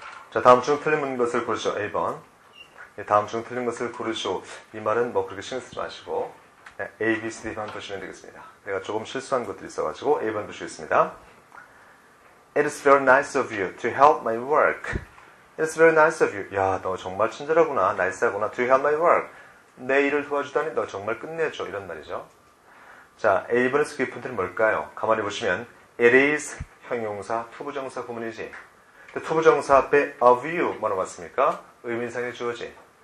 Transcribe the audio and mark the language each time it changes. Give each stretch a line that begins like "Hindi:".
Korean: 자, 다음 중 틀린 것을 고르시오. 1번. 다음 중 틀린 것을 고르시오. 이 말은 뭐 그렇게 신경 쓰지 마시고 A, B, C, D만 보시면 되겠습니다. 내가 조금 실수한 것들이 있어가지고 A번 보시겠습니다.
English: It is very nice of you to help my work. It's very nice of you.
Korean: 야, 너 정말 친절하구나, 나이스하구나.
English: To help my work.
Korean: 내 일을 도와주다니 너 정말 끝내줘. 이런 말이죠. 자, A번에서 깊은 뜻은 뭘까요? 가만히 보시면 It is 형용사, 투부정사 구문이지. 투부정사 앞에 of you 뭐라고 왔습니까? 의미상의 주어지.